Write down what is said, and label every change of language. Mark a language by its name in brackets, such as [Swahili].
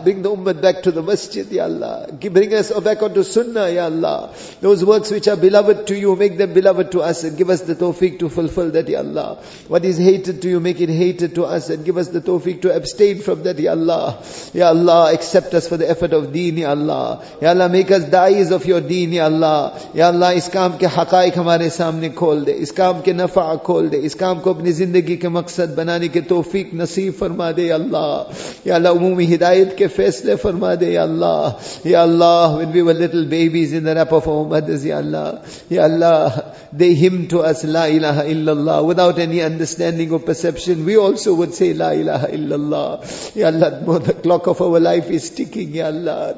[English] Bring the ummah back to the masjid, Ya Allah. Bring us back onto sunnah, Ya Allah. Those works which are beloved to you, make them beloved to us and give us the tawfiq to fulfill that, Ya Allah. What is hated to you, make it hated to us and give us the tawfiq to abstain from that, Ya Allah. Ya Allah. Accept us for the effort of deen, Ya Allah. Ya Allah. Make us da'is of your deen, Ya Allah. Ya Allah. [Urdu] Is کام کے حقائق ہمارے سامنے کھول دے اس کام کے نفع کھول دے اس کام کو اپنی زندگی کے مقصد بنانے کے توفیق نصیب فرما دے اللہ Ya Allah, umumi hidayat ke faisle farma de, Ya Allah. [English] Ya Allah, when we were little babies in the lap of our mothers, Ya Allah. Ya Allah, they hymn to us, La ilaha illallah, without any understanding or perception. We also would say, La ilaha illallah. Ya Allah, the clock of our life is ticking, Ya Allah.